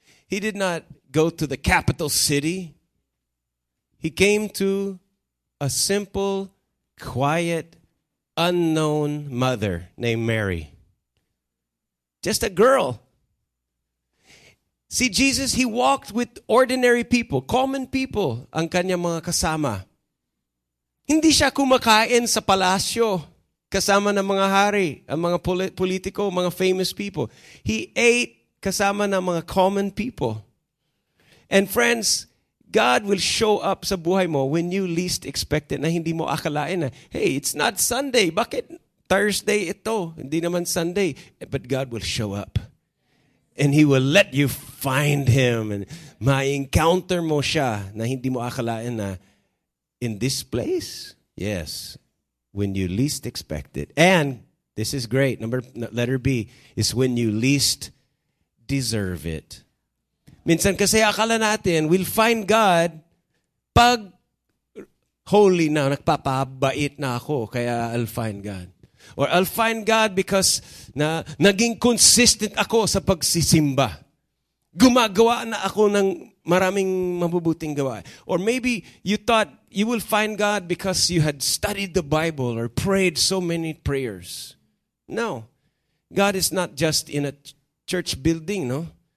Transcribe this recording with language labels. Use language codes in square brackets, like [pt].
[en] He did not go to the capital city. He came to a simple, quiet, unknown mother named Mary. Just a girl. See, Jesus, He walked with ordinary people, common people, [tl] ang kanyang mga kasama. Hindi siya kumakain sa palasyo, kasama ng mga hari, ang mga politiko, mga famous people. [en] He ate [tl] kasama ng mga common people. [en] And friends, God will show up [tl] sa buhay mo [en] when you least expect it, [tl] na hindi mo akalain na, [en] hey, it's not Sunday. [tl] Bakit Thursday ito? Hindi naman Sunday. [en] But God will show up. And He will let you find Him. And [tl] ma-encounter mo siya na hindi mo akalain na [en] in this place. Yes. When you least expect it. And this is great. Letter B is when you least deserve it. [tl] Minsan kasi akala natin, [en] we'll find God [tl] pag holy na, nagpapabait na ako, kaya [en] I'll find God. Or I'll find God because [tl] na naging consistent ako sa pagsisimba. Gumagawa na ako ng maraming mabubuting gawa. [en] Or maybe you thought you will find God because you had studied the Bible or prayed so many prayers. No. God is not just in a church building, no?